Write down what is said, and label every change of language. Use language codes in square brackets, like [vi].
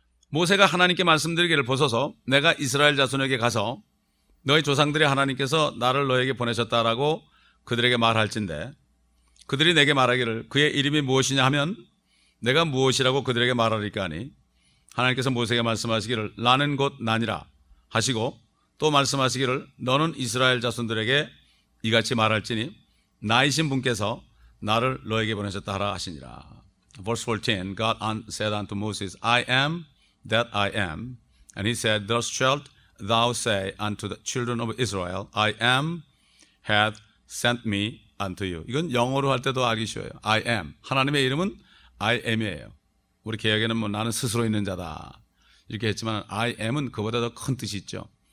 [ko] 모세가 하나님께 말씀드리기를 보소서, 내가 이스라엘 자손에게 가서 너희 조상들의 하나님께서 나를 너에게 보내셨다라고 그들에게 말할진대, 그들이 내게 말하기를 그의 이름이 무엇이냐 하면 내가 무엇이라고 그들에게 말하리까 하니, 하나님께서 모세에게 말씀하시기를 나는 곧 나니라 하시고 또 말씀하시기를 너는 이스라엘 자손들에게 이같이 말할지니 나이신 분께서 나를 너에게 보내셨다 하라 하시니라. [en] Verse 14, God said unto Moses, I am that I am. And he said, Thus shalt thou say unto the children of Israel, I am hath sent me unto you. [ko] 이건 영어로 할 때도 알기 쉬워요. [en] I am. [ko] 하나님의 이름은 I am이에요. 우리 개혁에는 뭐 나는 스스로 있는 자다 이렇게 했지만 I am은 그보다 더 큰 뜻이 있죠.